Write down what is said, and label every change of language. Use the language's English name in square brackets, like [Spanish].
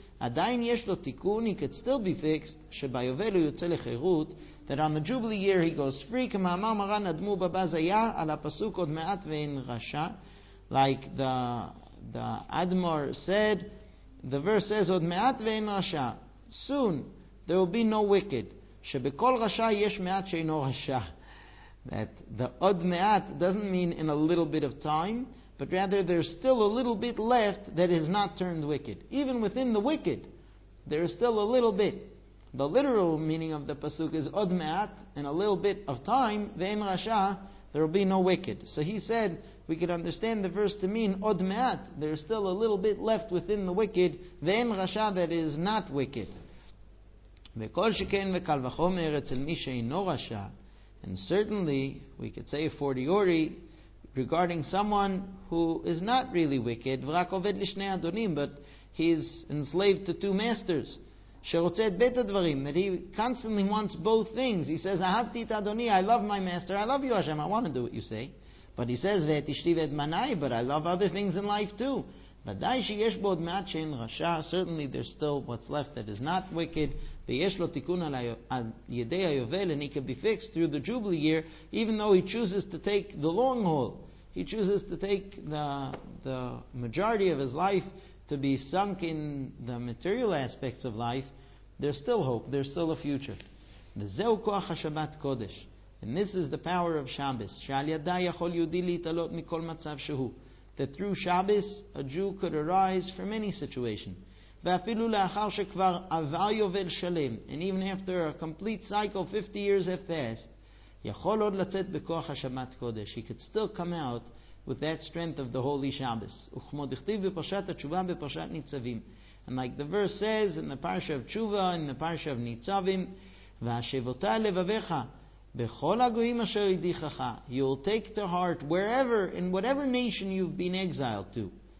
[Hebrew] עדיין יש לו תיקון, [English] he could still be fixed, [Hebrew] שביובל הוא יוצא לחירות, [English] that on the Jubilee year he goes free, [Hebrew] כמאמר מרן אדמו בבזיה, על הפסוק עוד מעט ואין רשע, [English] like the Admor said, the verse says, [Hebrew] עוד מעט ואין רשע, [English] soon, there will be no wicked. [Hebrew] שבכל רשע יש מעט שאינו רשע. [English] That the [Hebrew] עוד מעט [English] doesn't mean in a little bit of time, but rather there's still a little bit left that has not turned wicked. Even within the wicked, there is still a little bit. The literal meaning of the pasuk is [Hebrew] עוד מעט, [English] in a little bit of time, [Hebrew] ואין רשע, [English] there will be no wicked. So he said, we could understand the verse to mean [Hebrew] עוד מעט, [English] there's still a little bit left within the wicked, [Hebrew] ואין רשע [English] that is not wicked. [Hebrew] וכל שכן וקל וחומר אצל מי שאינו רשע. [English] And certainly, we could say a fortiori regarding someone who is not really wicked, [Hebrew] ורק עובד לשני אדונים, [English] but he's enslaved to two masters, [Hebrew] שרוצה את בית הדברים, [English] that he constantly wants both things. He says, [Hebrew] אהבתי את אדוני, [English] I love my master, I love you, Hashem, I want to do what you say. But he says, [Hebrew] ואת אשתי ואת מנאי, [English] but I love other things in life too. [Hebrew] ודאי שיש בו עוד מעט שאין רשע, [English] certainly there's still what's left that is not wicked, [Hebrew] ויש לו תיקון על ידי היובל, [English] and he can be fixed through the Jubilee year, even though he chooses to take the long haul. He chooses to take the majority of his life to be sunk in the material aspects of life. There's still hope, there's still a future. [Hebrew] וזהו כוח השבת קודש. [English] And this is the power of Shabbos, [Hebrew] שעל ידה יכול יהודי להתעלות מכל מצב שהוא. [English] That through Shabbos, a Jew could arise from any situation. [Hebrew] ואפילו לאחר שכבר עבר יובל שלם, [English] and even after a complete cycle, 50 years have passed, [Hebrew] יכול עוד לצאת בכוח השבת קודש. [English] He could still come out with that strength of the Holy Shabbos. [Hebrew] וכמו דכתיב בפרשת התשובה בפרשת ניצבים. [English] And like the verse says, in the parasha of תשובה, in the parasha of ניצבים, [Hebrew] והשבותה לבביך, בכל הגויים אשר ידיחך, [English] you'll take to heart wherever, in whatever nation you've been exiled to.